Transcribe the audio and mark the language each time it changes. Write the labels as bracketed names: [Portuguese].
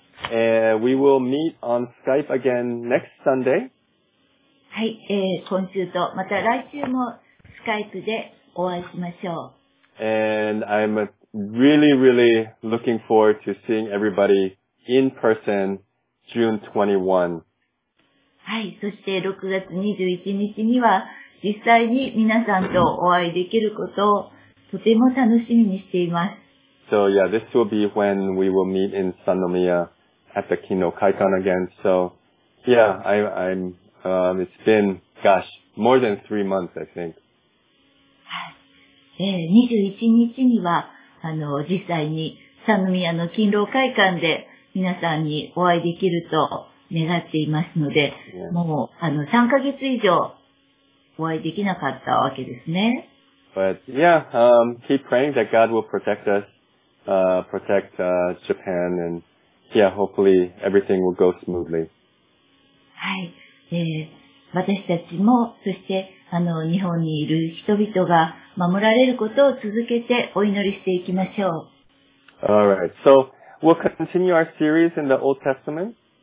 [English] We will meet on Skype again next Sunday. [Japanese] はい、今週と、また来週も Skype でお会いしましょう。 [English] And I'm really, really looking forward to seeing everybody in person June 21. [Japanese] はい、そして6月21日には実際に皆さんとお会いできることをとても楽しみにしています。 [English] So yeah, this will be when we will meet in Sanomiya at the Kino Kaikan again. So yeah, it's been, gosh, more than 3 months, I think. [Japanese] 21日には実際に Sanomiya の勤労会館で皆さんにお会いできると願っていますので、もう3ヶ月以上お会いできなかったわけですね。 [English] But yeah, keep praying that God will protect us, protect Japan, and yeah, hopefully everything will go smoothly. [Japanese] はい、私たちもそして日本にいる人々が守られることを続けてお祈りしていきましょう。 [English] All right, so we'll continue our series in the Old Testament.